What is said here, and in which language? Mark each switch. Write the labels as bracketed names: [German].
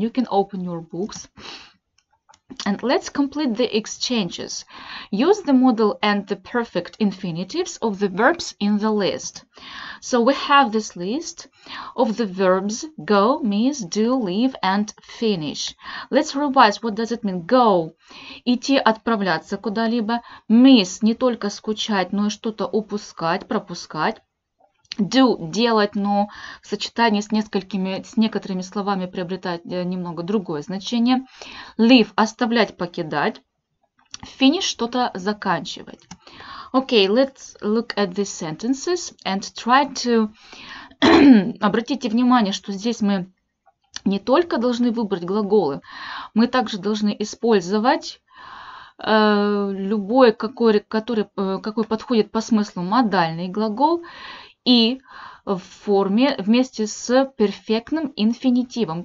[English] You can open your books. And let's complete the exchanges. Use the modal and the perfect infinitives of the verbs in the list. So we have this list of the verbs go, miss, do, leave, and finish. Let's revise. What does it mean? [Russian] Go – идти, отправляться куда-либо. Miss – не только скучать, но и что-то упускать, пропускать. Do – делать, но в сочетании с несколькими, с некоторыми словами приобретать немного другое значение. Leave – оставлять, покидать. Finish – что-то заканчивать. [English] Okay, let's look at the sentences and try to... [Russian] Обратите внимание, что здесь мы не только должны выбрать глаголы, мы также должны использовать... любой, какой подходит по смыслу модальный глагол и в форме вместе с перфектным инфинитивом.